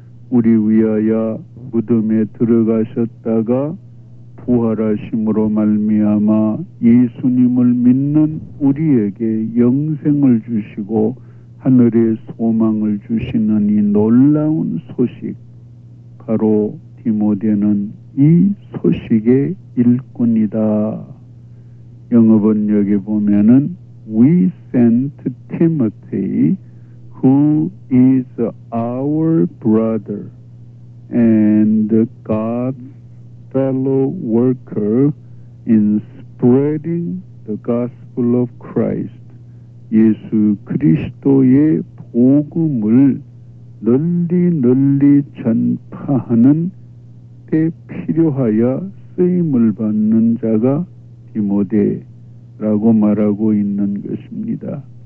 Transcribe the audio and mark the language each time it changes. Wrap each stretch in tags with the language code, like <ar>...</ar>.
<ko>우리 위하여 무덤에 들어가셨다가 부활하심으로 말미암아 예수님을 믿는 우리에게 영생을 주시고 하늘의 소망을 주시는 이 놀라운 소식, 바로 디모데는 이 소식의 일꾼이다.</ko> <en>영어 번역에 보면은 We sent Timothy who is our brother and God's fellow worker in spreading the gospel of Christ.</en> <ko>예수 그리스도의 복음을 널리 널리 전파하는 때 필요하여 쓰임을 받는 자가 디모데라고 말하고 있는 것입니다.</ko>